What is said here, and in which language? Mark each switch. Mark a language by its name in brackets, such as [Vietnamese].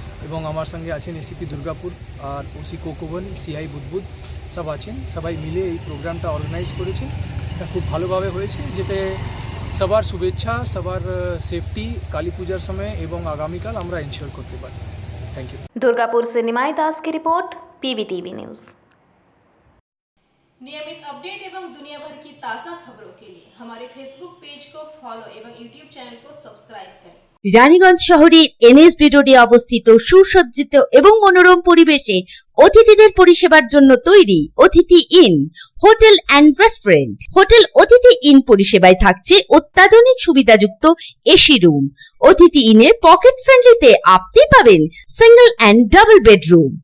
[Bangla] এবং আমার সঙ্গে আছেন এসিপি দুর্গাপুর আর ওসি কোকোবন, সিআই বুদবুদ সব আছেন, সবাই মিলে এই প্রোগ্রামটা অর্গানাইজ করেছেন। এটা খুব ভালোভাবে হয়েছে, যেতে সবার শুভেচ্ছা, সবার সেফটি কালী পূজার সময় এবং আগামীকাল আমরা এনশিওর করতে পারি। [English] Thank you. [Hindi] দুর্গাপুর সে নিমাই দাসকে রিপোর্ট, পিবিটিভি নিউজ। नियमित अपडेट एवं दुनिया भर की ताजा खबरों के लिए हमारे फेसबुक पेज को फॉलो एवं यूट्यूब चैनल को सब्सक्राइब करें। [Bangla] রানীগঞ্জ শহরের এনএসবি রোডে অবস্থিত সুসজ্জিত এবং মনোরম পরিবেশে অতিথিদের পরিষেবার জন্য তৈরি অতিথি in hotel and restaurant. Hotel অতিথি ইন পরিষেবায় থাকছে অত্যাধুনিক সুবিধাযুক্ত এসি রুম। অতিথি ইনে পকেট ফ্রেন্ডলিতে আপনি পাবেন সিঙ্গল এন্ড ডাবল বেডরুম।